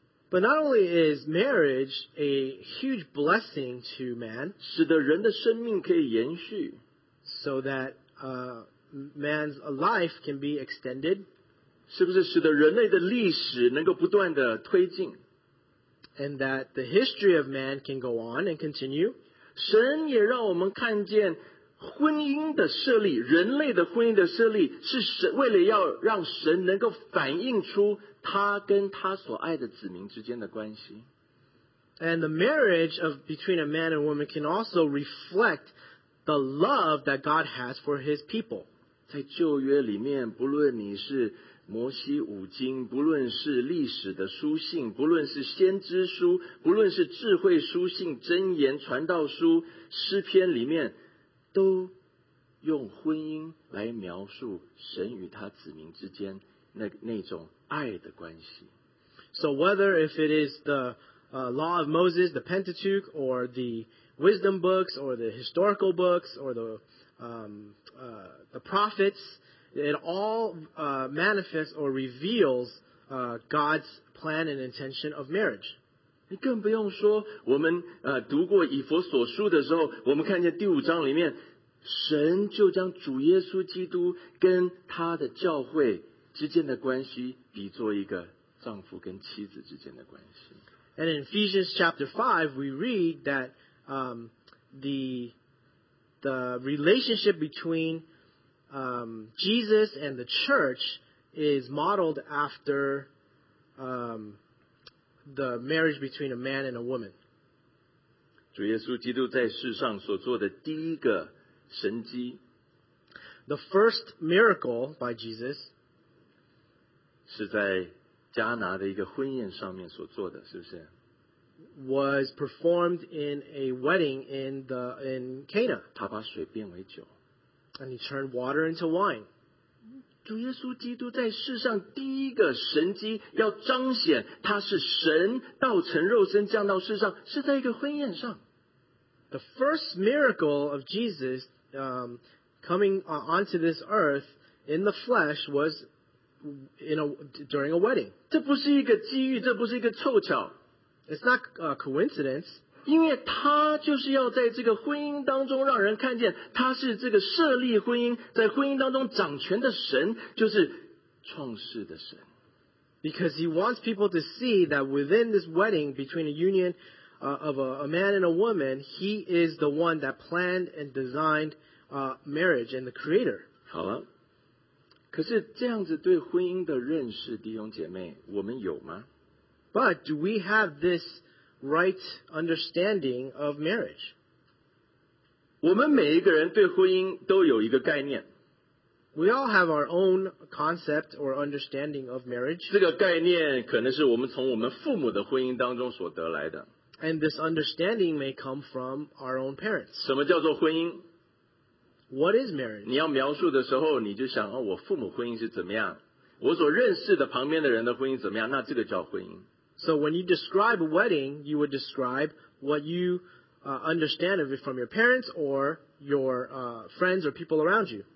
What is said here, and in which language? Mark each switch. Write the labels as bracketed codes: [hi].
[en] But not only is marriage a huge blessing to man, [zh] 使得人的生命可以延续。 [en] So that man's life can be extended. [zh] 是不是使得人类的历史能够不断的推进。 [en] And that the history of man can go on and continue. [zh] 神也让我们看见婚姻的设立，人类的婚姻的设立，是神为了要让神能够反映出他跟他所爱的子民之间的关系。 [en] And the marriage of between a man and woman can also reflect the love that God has for His people. [zh] 在旧约里面，不论你是摩西五经，不论是历史的书信，不论是先知书，不论是智慧书信、箴言、传道书、诗篇里面。都用婚姻来描述神与他子民之间 那种爱的关系。 [en] So whether if it is the law of Moses, the Pentateuch, or the wisdom books, or the historical books, or the prophets, it all manifests or reveals God's plan and intention of marriage. [zh] 你更不用说我们读过以弗所书的时候，我们看见第五章里面神就将主耶稣基督跟他的教会之间的关系比作一个丈夫跟妻子之间的关系。 [en] And in Ephesians chapter 5 we read that the relationship between Jesus and the church is modeled afterthe marriage between a man and a woman. [zh] 主耶稣基督在世上所做的第一个神迹， [en] the first miracle by Jesus [zh] 是在迦拿的一个婚宴上面所做的，是不是？ [en] was performed in a wedding in Cana. [zh] 他把水变为酒， [en] and he turned water into wine. [zh] 主耶稣基督在世上第一个神迹要彰显他是神道成肉身降到世上，是在一个婚宴上。 [en] The first miracle of Jesus coming onto this earth in the flesh was during a wedding. [zh] 这不是一个机遇，这不是一个凑巧。 [en] It's not a coincidence. [zh] 因为他就是要在这个婚姻当中让人看见他是这个设立婚姻，在婚姻当中掌权的神，就是创世的神。 [en] Because he wants people to see that within this wedding between a union of a man and a woman, he is the one that planned and designed marriage and the creator. [zh] 好了，可是这样子对婚姻的认识，弟兄姐妹，我们有吗？ [en] But do we have this right understanding of marriage? [zh] 我们每一个人对婚姻都有一个概念。 [en] We all have our own concept or understanding of marriage. [zh] 这个概念可能是我们从我们父母的婚姻当中所得来的。 [en] And this understanding may come from our own parents. [zh] 什么叫做婚姻？ [en] What is marriage? [zh] 你要描述的时候，你就想，哦，我父母婚姻是怎么样？我所认识的旁边的人的婚姻怎么样？那这个叫婚姻。 [en] So when you describe a wedding, you would describe what you understand of it from your parents or your friends or people around you.